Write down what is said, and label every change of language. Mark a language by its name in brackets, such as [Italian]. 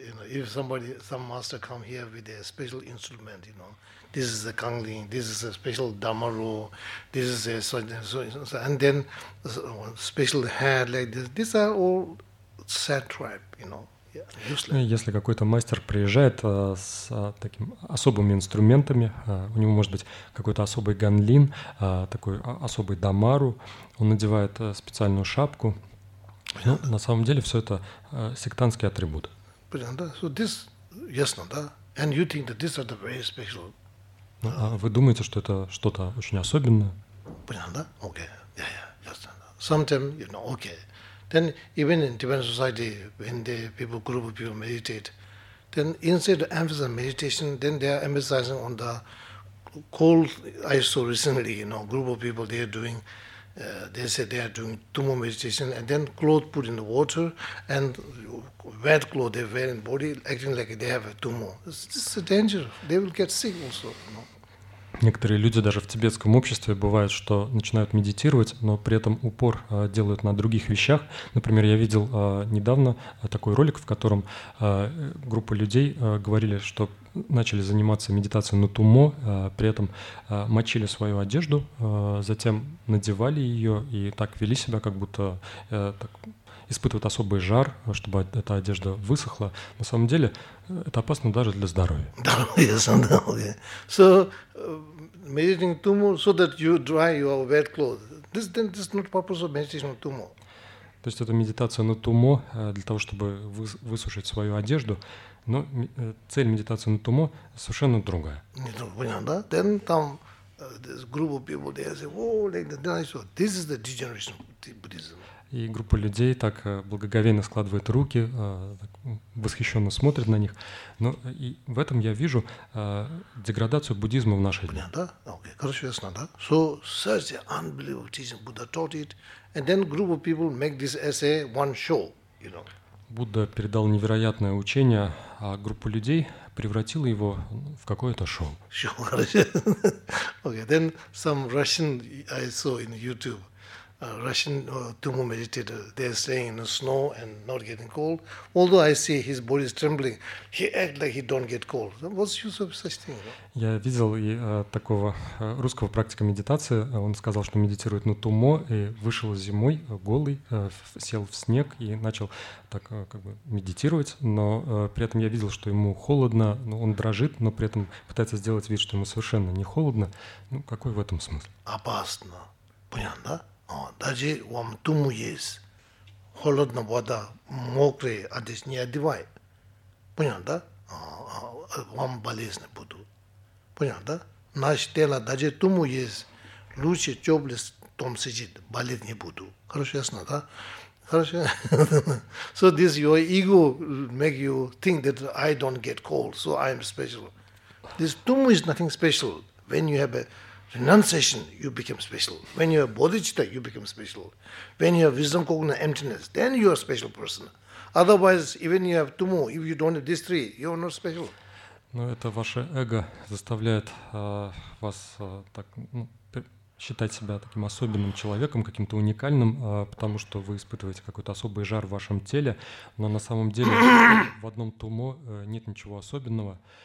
[English] If somebody, some master come here with a special instrument, you know, this is a kangling, this is a special damaru, this is a so, and then special head like this. These are all satrap, you know, useless. [Russian] Если какой-то мастер приезжает с таким особыми инструментами, у него может быть какой-то особый ганлин, такой особый дамару, он надевает специальную шапку. Ну, на самом деле все это сектантский атрибут. [English] So this, yes, no, да? And you think that these are the very special. [Russian] А вы думаете, что это что-то очень особенное? Понятно, да? [English] Okay. Yeah. Sometimes, you know, okay. Then even in Tibetan society, when the people, group of people meditate, then instead of emphasizing meditation, then they are emphasizing on the cold. I saw recently, you know, group of people, they are doing, they said they are doing tummo meditation, and then cloth put in the water, and wet cloth they wear in body, acting like they have a tummo. This is a danger. They will get sick also, you know. [Russian] Некоторые люди даже в тибетском обществе бывают, что начинают медитировать, но при этом упор делают на других вещах. Например, я видел недавно такой ролик, в котором группа людей говорили, что начали заниматься медитацией на тумо, при этом мочили свою одежду, затем надевали ее и так вели себя, как будто так испытывают особый жар, чтобы эта одежда высохла. На самом деле это опасно даже для здоровья. [English] Yes, okay. So meditating tummo so that you dry your wet clothes. This is not purpose of meditation on tummo. [Russian] То есть это медитация на тумо для того, чтобы высушить свою одежду. Но цель медитации на тумо совершенно другая. Не понял, да? [English] Then [Russian] там [English] group of people they say, oh, like then I saw this is the degeneration of Buddhism. [Russian] И группа людей так благоговейно складывает руки, так восхищенно смотрит на них. Но и в этом я вижу деградацию буддизма в наши дни. Да? Okay. Короче, ясно, да? [English] So such an unbelievable teaching Buddha taught it, and then group of people make this essay one show, you know. [Russian] Будда передал невероятное учение, а группа людей превратила его в какое-то шоу. Шоу, короче. [English] Okay. Then some Russian I saw in YouTube. Russian tummo meditator, they're staying in the snow and not getting cold. Although I see his body is trembling, he acts like he don't get cold. What's the use of such thing? [Russian] Я видел и такого русского практика медитации. Он сказал, что медитирует на тумо, и вышел зимой голый, сел в снег и начал так как бы медитировать. Но при этом я видел, что ему холодно, но он дрожит, но при этом пытается сделать вид, что ему совершенно не холодно. Ну какой в этом смысл? Опасно. Понятно, да? Даже вам тумо есть, холодная вода, мокрая, а здесь не одевай. Понял, да? Вам болезнь будет. Понял, да? Наше тело, даже тумо есть, лучше теплый в том сидит, болеть не буду. Хорошо, ясно, да? Хорошо. [English] So this your ego make you think that I don't get cold, so I am special. This тумо is nothing special. When you have a renunciation, you become special. When you have bodhicitta, you become special. When you have wisdom, cognizant emptiness, then you are a special person. Otherwise, even you have tummo, if you don't have these three, you are not special. [Russian] Но это ваше эго заставляет вас так считать себя таким особенным человеком, каким-то уникальным, потому что вы испытываете какой-то особый жар в вашем теле, но на самом деле в одном тумо нет ничего особенного.